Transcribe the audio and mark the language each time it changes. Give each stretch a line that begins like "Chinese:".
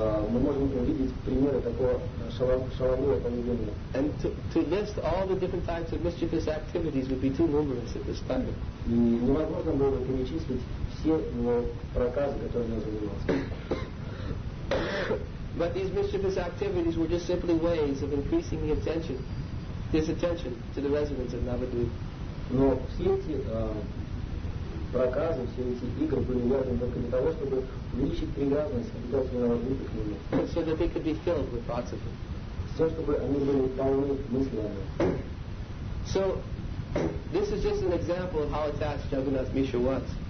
Russian: Мы можем увидеть примеры такого шаловливого поведения.
English: And to list all the different types of mischievous activities would be too numerous at this time.
Russian: И невозможно было перечислить все его проказы, которые он занимался.
English: But these mischievous activities were just simply ways of increasing the attention. His attention to the residents of Navadvip.
Russian: Но все эти проказы, все эти игры были важны только для того, чтобы увеличить привязанность обитателей Навадвипа к нему.
English: So that they could be filled with thoughts of him.
Russian: С тем, чтобы они были полны мыслями.
English: So, this is just an example of how attached Jagannath Misha was.